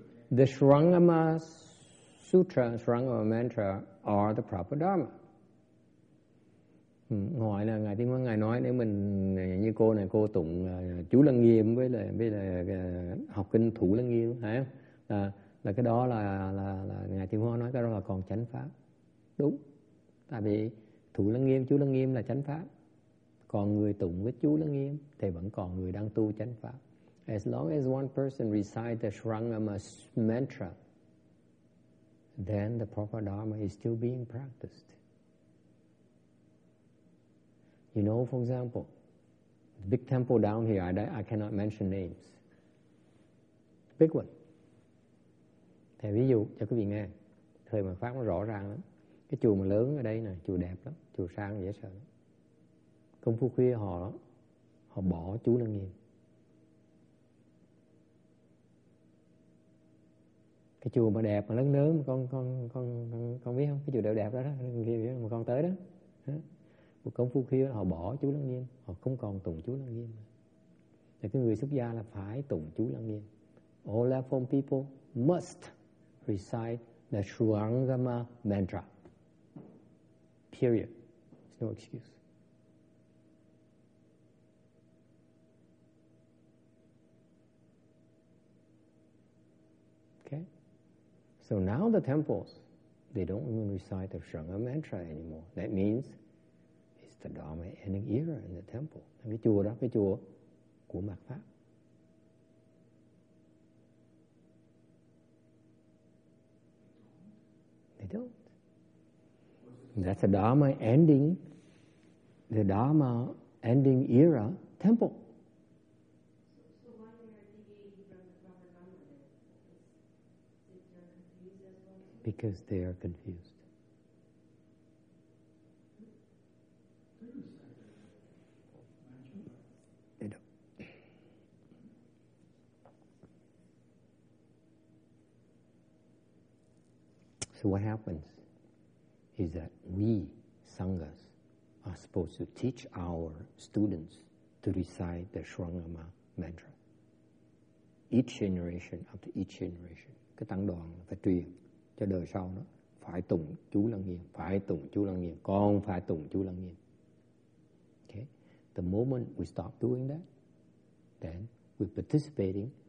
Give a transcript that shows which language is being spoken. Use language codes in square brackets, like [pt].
[en] The Sarangama Sutra and Sarangama Mantra are the proper Dharma. [vi] Ngoài là ngài Tiên Quang ngài nói nếu mình như cô này cô tụng chú Lăng Nghiêm với lại học kinh thủ Lăng Nghiêm phải không? Là cái đó là ngài Tiên Quang nói cái đó là còn chánh pháp. Đúng. Tại vì thủ Lăng Nghiêm, chú Lăng Nghiêm là chánh pháp. Còn người tụng với chú Lăng Nghiêm thì vẫn còn người đang tu chánh pháp. [en] As long as one person recites the Sarangama Mantra, then the proper Dharma is still being practiced. You know, for example, the big temple down here, I cannot mention names. Big one. [vi] Thì ví dụ, cho quý vị nghe, thời mà Pháp nó rõ ràng lắm. Cái chùa mà lớn ở đây nè, chùa đẹp lắm, chùa sang dễ sợ lắm. Công phu khuya họ bỏ chú Lăng Nghiêm. Cái chùa mà đẹp mà lớn lớn con biết không, cái chùa đẹp đẹp đó đó mà con tới đó, một công phu khi họ bỏ chú Lăng Nghiêm, họ không còn tụng chú Lăng Nghiêm. Thì cái người xuất gia là phải tụng chú Lăng Nghiêm. [en] All reformed people must recite the Sarangama Mantra, period. It's no excuse. So now the temples, they don't even recite the Sarangama Mantra anymore. That means it's the Dharma ending era in the temple. [vi] Cái chùa đó, cái chùa của mạt pháp. [en] They don't. That's the Dharma ending era temple. Because they are confused. They don't. So what happens is that we, Sanghas, are supposed to teach our students to recite the Sarangama Mantra. Each generation after each generation. [vi] Cái tăng đoàn phải truyền cho đời sau đó, phải tụng chú Lăng Nghiêm, phải tụng chú Lăng Nghiêm, con phải tụng chú Lăng Nghiêm. [en] Okay. The moment we stop doing that, then we're participating